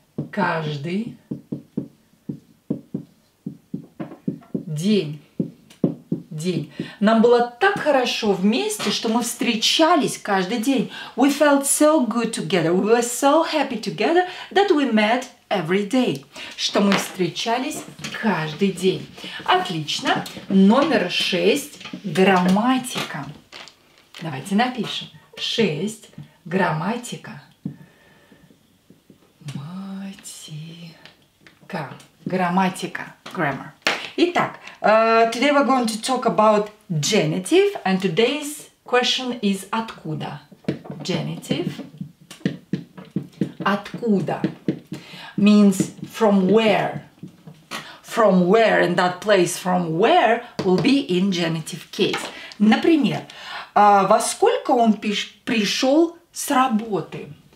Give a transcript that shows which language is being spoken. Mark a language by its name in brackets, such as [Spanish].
[Russian] Каждый день. Нам было так хорошо вместе, что мы встречались каждый день. [English] We felt so good together. We were so happy together that we met every day. [Russian] Что мы встречались каждый день. Отлично. Номер 6. Грамматика. Давайте напишем. 6. грамматика. Матика. Грамматика. [English] Grammar. Итак, today we're going to talk about genitive, and today's question is откуда? Genitive. Откуда means from where. From where, and that place from where will be in genitive case. [Russian] Например, во сколько он пришел с работы?